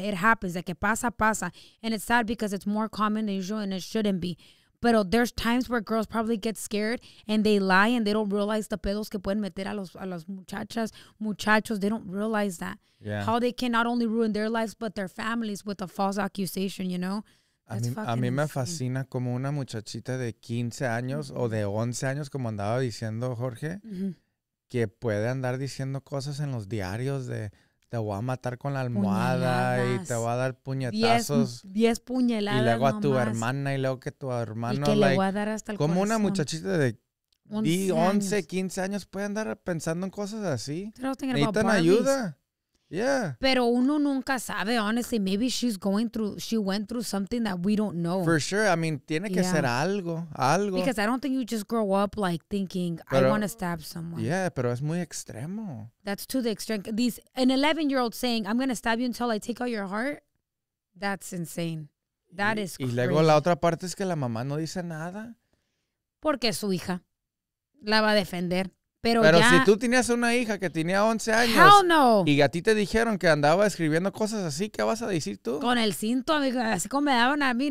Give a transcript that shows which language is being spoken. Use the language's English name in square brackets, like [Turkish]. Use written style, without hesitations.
[English] It happens. [Spanish] De que pasa, pasa. [English] And it's sad because it's more common than usual and it shouldn't be. But there's times where girls probably get scared and they lie and they don't realize the [Spanish] pedos que pueden meter a las muchachas, muchachos. [English] They don't realize that. Yeah. How they can not only ruin their lives but their families with a false accusation, you know. [Spanish] A mí me fascina como una muchachita de 15 años o de 11 años, como andaba diciendo Jorge, que puede andar diciendo cosas en los diarios de te voy a matar con la almohada puñaladas. Y te voy a dar puñetazos. 10 puñaladas. Y luego a nomás. Tu hermana y luego que tu hermano. Y que [English] like, [Spanish] le voy a dar hasta el como corazón. Una muchachita de 11, 15 años puede andar pensando en cosas así. Necesitan ayuda. Yeah. Pero uno nunca sabe, honestly. [English] Maybe she went through something that we don't know. For sure. I mean, [Spanish] tiene que ser algo. [English] Because I don't think you just grow up like thinking, I want to stab someone. [Spanish] Yeah, pero es muy extremo. [English] That's to the extreme. An 11-year-old saying, I'm going to stab you until I take out your heart. That's insane. That is crazy. [Spanish] Y luego la otra parte es que la mamá no dice nada. porque su hija la va a defender. Pero ya, si tú tenías una hija que tenía 11 años. [English] Hell no. [Spanish] Y a ti te dijeron que andaba escribiendo cosas así, ¿qué vas a decir tú? Con el cinto, amigo, así como me daban a mí.